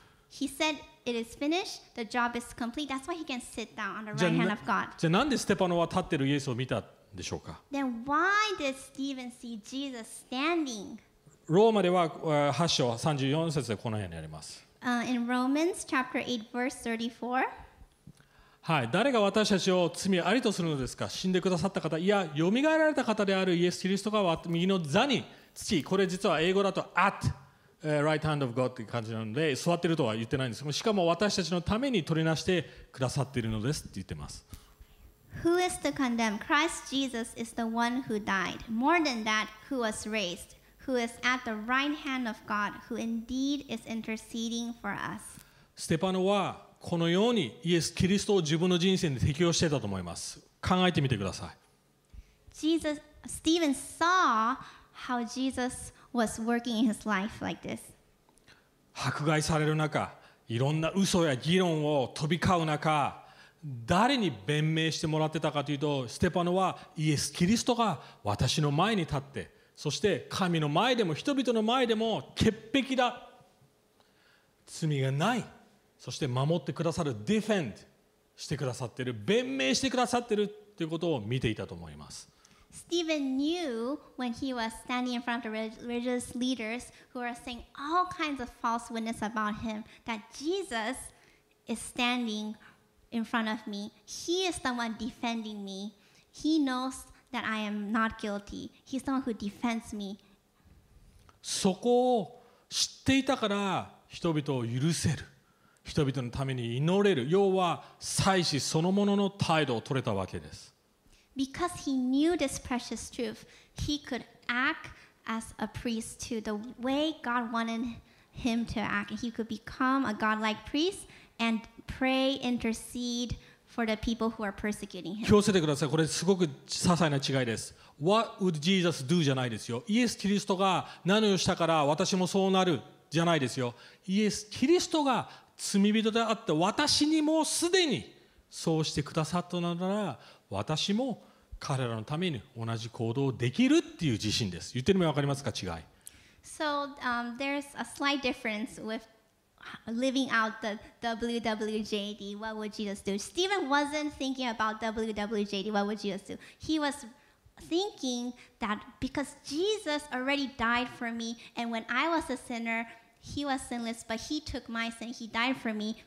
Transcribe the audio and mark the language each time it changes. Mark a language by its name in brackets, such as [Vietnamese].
[English] He said, "It is finished. The job is complete." That's why he can sit down on the right hand of God. [Japanese] じゃあなんでステパノは立ってるイエスを見たんでしょうか？ [English] Then why did Stephen see Jesus standing? [Japanese] ローマでは8章34節でこのようにあります。 [English] In Romans chapter 8 verse 34. [Japanese] はい、誰が私たちを罪ありとするのですか？死んでくださった方、いや、蘇られた方であるイエス・キリストが右の座に着き、これ実は英語だと at。 [English] Right hand of God [Japanese] って感じなので座ってるとは言ってないんですしかも私たちのために取りなしてくださっているのですって言ってます [English] Who is to condemn? Christ Jesus is the one who died More than that, who was raised Who is at the right hand of God Who indeed is interceding for us [Japanese] ステパノはこのようにイエス・キリストを自分の人生に適用してたと思います考えてみてください [English] Jesus, Stephen saw how JesusWas working in his life like this. [Japanese] 迫害される中、いろんな嘘や議論を飛び交う中、誰に弁明してもらってたかというと、ステパノはイエス・キリストが私の前に立って、そして神の前でも人々の前でも潔癖だ、罪がない、そして守ってくださる、defend してくださってる、弁明してくださってるということを見ていたと思います。 [English] Stephen knew when he was standing in front of the religious leaders who were saying all kinds of false witness about him that Jesus is standing in front of me. He is the one defending me. He knows that I am not guilty. He's the one who defends me. [Japanese] そこを知っていたから人々を許せる。人々のために祈れる、要は祭司そのものの態度を取れたわけです。 [English] Because he knew this precious truth, he could act as a priest to the way God wanted him to act. He could become a godlike priest and pray, intercede for the people who are persecuting him. [Japanese] 気をつけてください。これすごく些細な違いです。 [English] What would Jesus do [Japanese] じゃないですよ。イエス・キリストが何をしたから私もそうなるじゃないですよ。イエス・キリストが罪人であって私にもすでにそうしてくださったのなら私も彼らのために同じ行動をできるっていう自信です。言ってるのも分かりますか、違い。 [English] So, there's a slight difference with living out the WWJD. What would Jesus do? Stephen wasn't thinking about WWJD. What would Jesus do? He was thinking that because Jesus already died for me, and when I was a sinner, he was sinless, but he took my sin, he died for me.